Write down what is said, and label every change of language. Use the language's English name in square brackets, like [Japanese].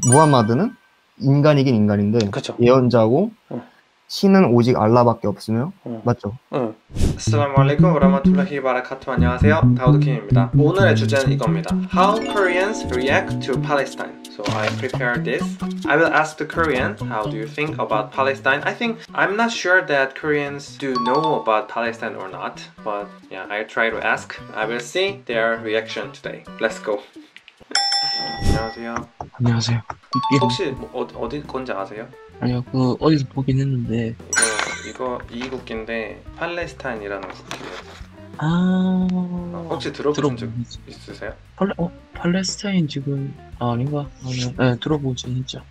[Korean] 무함마드는 인간이긴 인간인데 그쵸. 예언자고 신은 오직 알라밖에 없으며 맞죠? 아스살람 알라이쿰 와라마툴라히 바라카투. 안녕하세요, 다우드 킴입니다. 오늘의 주제는 이겁니다. [English] How Koreans react to Palestine. So I prepared this. I will ask the Korean, how do you think about Palestine? I think I'm not sure that Koreans do know about Palestine or not, but yeah, I try to ask. I will see their reaction today. Let's go. [Korean] 안녕하세요. 안녕하세요. 혹시 뭐 어디 건지 아세요? 아니요, 그 어디서 보긴 했는데 이거 이 국기인데 팔레스타인이라는 국기예요. 아, 혹시 들어본 적 있으세요? 팔레스타인 지금 아닌가? 아니요, 네, 들어보진 했죠.